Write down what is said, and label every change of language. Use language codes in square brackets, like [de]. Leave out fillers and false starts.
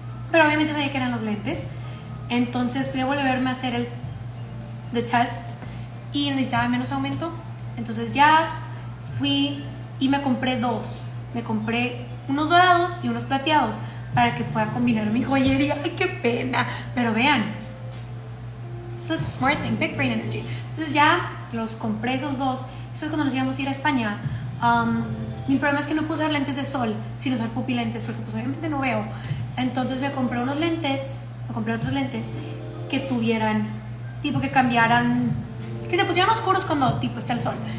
[es] Pero obviamente sabía que eran los lentes. Entonces fui a volverme a hacer [en] the test [es] y necesitaba menos aumento. Entonces ya fui y me compré dos. Me compré unos dorados y unos plateados para que pueda combinar mi joyería. ¡Ay, qué pena! Pero vean, [en] it's a smart thing, big brain energy. [es] Entonces ya los compré esos dos. Eso es cuando nos íbamos a ir a España. Mi problema es que no puse lentes de sol, sino usar pupilentes, porque pues obviamente no veo. Entonces me compré otros lentes que tuvieran, tipo que cambiaran, que se pusieran oscuros cuando tipo está el sol.